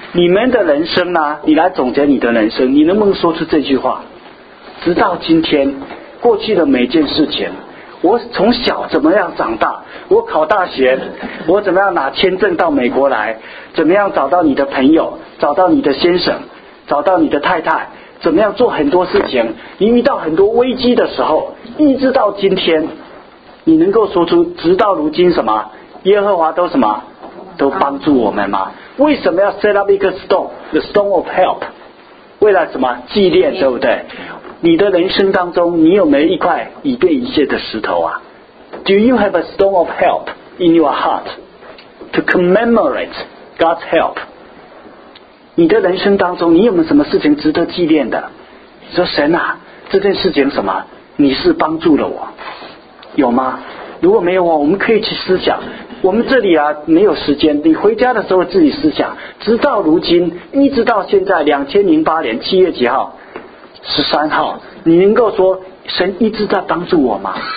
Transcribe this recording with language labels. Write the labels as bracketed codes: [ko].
[zh] 你们的人生呢，你来总结你的人生，你能不能说出这句话，直到今天过去的每件事情，我从小怎么样长大，我考大学，我怎么样拿签证到美国来，怎么样找到你的朋友，找到你的先生，找到你的太太，怎么样做很多事情，你遇到很多危机的时候，一直到今天你能够说出直到如今什么耶和华都什么都帮助我们吗？为什么要 [en] set up [zh] 一个 [en] stone the stone of help， [zh] 为了什么纪念，对不对？你的人生当中你有没有一块以便以谢的石头啊？ [en] Do you have a stone of help in your heart to commemorate God's help？ [zh] 你的人生当中你有没有什么事情值得纪念的，说神啊，这件事情什么你是帮助了我，有吗？如果没有，我们可以去思想，我们这里啊没有时间，你回家的时候自己思想，直到如今一直到现在2008年7月几号13号，你能够说神一直在帮助我吗？